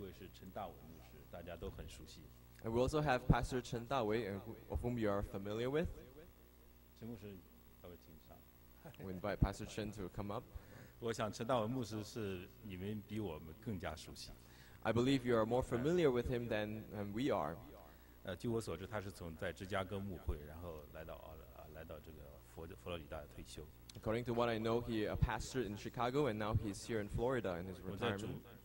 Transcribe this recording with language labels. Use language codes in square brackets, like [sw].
[zh] 好，这是我们爱慕团的牧师，还有一位是陈大伟牧师，大家都很熟悉。 [en] And we also have Pastor Chen Dawei, of whom you are familiar with. [zh] 陈牧师，稍微请上。 [en] We invite Pastor Chen to come up. [zh] 我想陈大伟牧师是你们比我们更加熟悉。 [en] I believe you are more familiar with him than we are. [zh] 据我所知，他是从在芝加哥牧会，然后来到这个佛罗里达退休。 [en] According to what I know, he a pastor in Chicago, and now he's here in Florida in his retirement.